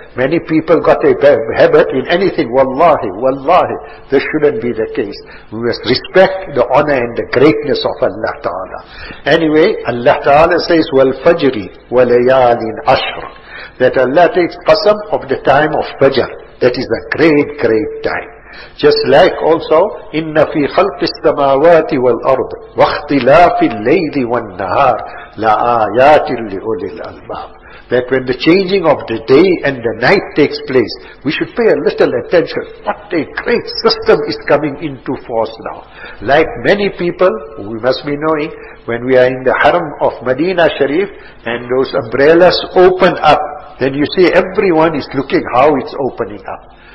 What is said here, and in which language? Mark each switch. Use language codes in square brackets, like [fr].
[en] Many people got a habit in anything. Wallahi, wallahi. This shouldn't be the case. We must respect the honor and the greatness of Allah Ta'ala. Anyway, Allah Ta'ala says, [ar] وَالْفَجْرِ وَلَيَالٍ عَشْرٍ. [en] That Allah takes qasam of the time of Fajr. That is a great, great time. Just like also, [ar] إِنَّ فِي خَلْقِ السَّمَاوَاتِ وَالْأَرْضِ وَاخْتِلَافِ اللَّيْلِ وَالنَّهَارِ لَآيَاتٍ لِأُولِي الْأَلْبَابِ. [en] That when the changing of the day and the night takes place, we should pay a little attention. What a great system is coming into force now. Like many people, we must be knowing, when we are in the Haram of Medina Sharif, and those umbrellas open up, then you see everyone is looking how it's opening up.